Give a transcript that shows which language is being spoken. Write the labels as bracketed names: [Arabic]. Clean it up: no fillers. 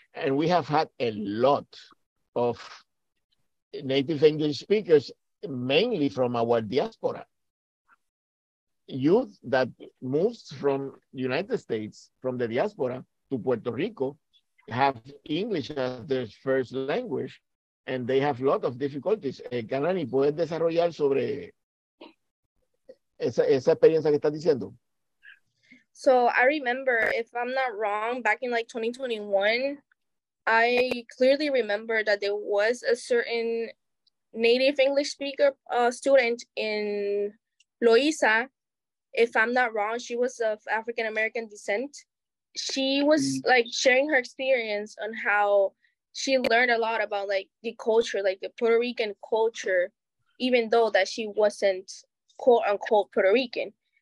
[English] And we have had a lot of native English speakers, mainly from our diaspora. Youth that moves from the United States, from the diaspora to Puerto Rico, have English as their first language, and they have a lot of difficulties. [Spanish] Canani, ¿puedes desarrollar sobre esa experiencia que estás diciendo? [English] So I remember, if I'm not wrong, back in like 2021, I clearly remember that there was a certain native English speaker student in Loiza. If I'm not wrong, she was of African-American descent. She was like sharing her experience on how she learned a lot about like the culture, like the Puerto Rican culture, even though that she wasn't quote unquote Puerto Rican.